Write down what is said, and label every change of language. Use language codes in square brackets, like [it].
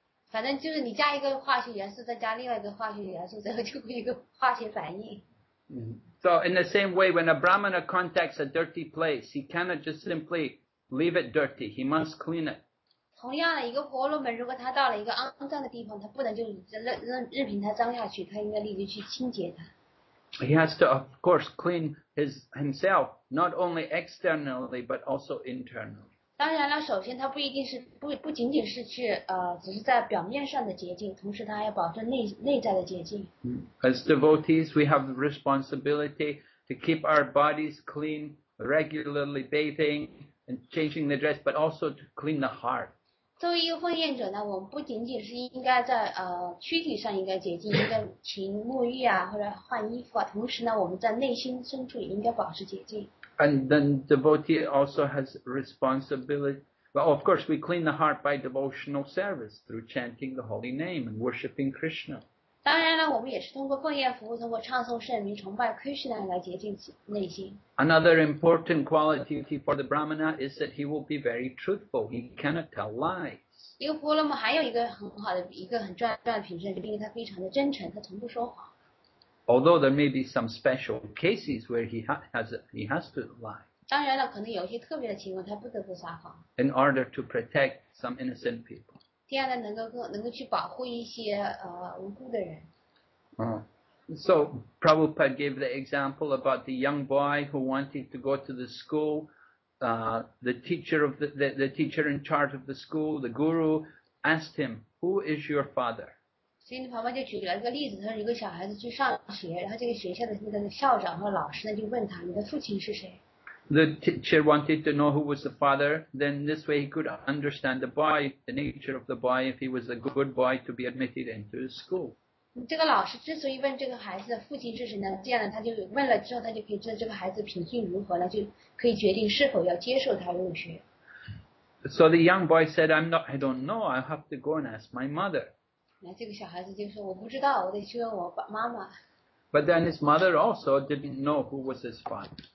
[zh] 反正就是你加一个化学元素，再加另外一个化学元素，最后就会有一个化学反应。 [en] So in the same way, when a Brahmana contacts a dirty place, he cannot just simply leave it dirty. He must clean it. [zh] 同样的，一个婆罗门如果他到了一个肮脏的地方，他不能就任凭它脏下去，他应该立即去清洁它。 [en] He has to, of course, clean himself, not only externally, but also internally. [zh] 当然了，首先他不一定是 不仅仅是去只是在表面上的洁净，同时他还要保证内在的洁净。 [en] As devotees, we have the responsibility to keep our bodies clean, regularly bathing and changing the dress, but also to clean the heart. [zh] 作为一个奉献者呢，我们不仅仅是应该在躯体上应该洁净，应该勤沐浴啊，或者换衣服啊，同时呢，我们在内心深处也应该保持洁净。 [en] And then devotee also has responsibility. Well, of course, we clean the heart by devotional service through chanting the holy name and worshiping Krishna. [zh] 当然了，我们也是通过奉献服务，通过唱诵圣名、崇拜 Krishna 来洁净内心。 [en] Another important quality for the Brahmana is that he will be very truthful. He cannot tell lies. [zh] 一个婆罗门还有一个很好的、一个很重要的品质，就是他非常的真诚，他从不说谎。 [en] Although there may be some special cases where he has to lie. [zh] 当然了，可能有些特别的情况，他不得不撒谎。 [en] In order to protect some innocent people. [zh] 第二呢，能够去保护一些无辜的人。 [en] So Prabhupada gave the example about the young boy who wanted to go to the school. The teacher of the teacher in charge of the school, the guru, asked him, "Who is your father?" So the [zh] 旁边就举了一个例子，他是一个小孩子去上学，然后这个学校的那个校长和老师呢就问他，你的父亲是谁？ [en] The teacher wanted to know who was the father, then this way he could understand the boy, the nature of the boy, if he was a good boy to be admitted into the school. [zh] 这个老师之所以问这个孩子的父亲是谁呢，这样呢他就问了之后，他就可以知道这个孩子品性如何了，就可以决定是否要接受他入学。 [en] So the young boy said, I don't know, I have to go and ask my mother. [zh] 那这个小孩子就说，我不知道，我得去问我妈妈。 [en] But then his mother also didn't know who was his father.